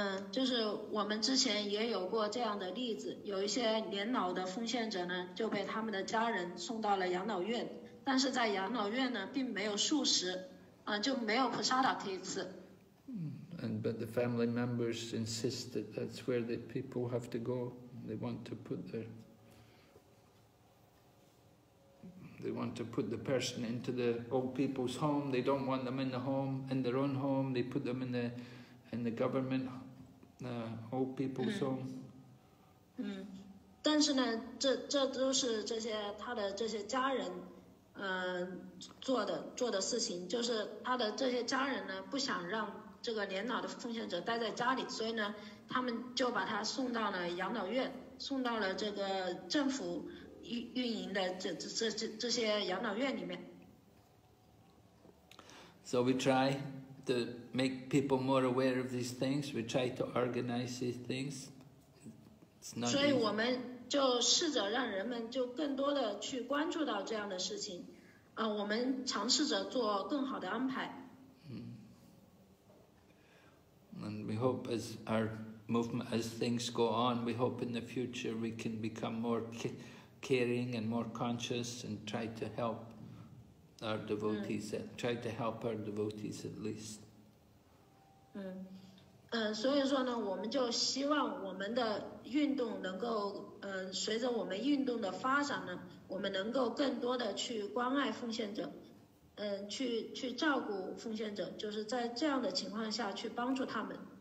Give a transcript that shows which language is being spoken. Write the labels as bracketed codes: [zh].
[zh] 就是我们之前也有过这样的例子，有一些年老的奉献者呢，就被他们的家人送到了养老院，但是在养老院呢，并没有素食，就没有prasada可以吃。 [en] But the family members insist that that's where the people have to go. They want to put the person into the old people's home. They don't want them in the home, in their own home. They put them in the government, old people's home. [zh] 但是呢，这都是这些他的这些家人，做的事情，就是他的这些家人呢，不想让这个年老的奉献者待在家里，所以呢，他们就把他送到了养老院，送到了这个政府运营的这些养老院里面。 [en] So we try to make people more aware of these things. We try to organize these things. It's not easy. [zh] 所以我们就试着让人们就更多的去关注到这样的事情，我们尝试着做更好的安排。 [en] And we hope as our movement, as things go on, we hope in the future we can become more caring and more conscious and try to help our devotees, try to help our devotees at least. [zh] 所以说呢，我们就希望我们的运动能够，随着我们运动的发展呢，我们能够更多的去关爱奉献者，去照顾奉献者，就是在这样的情况下去帮助他们。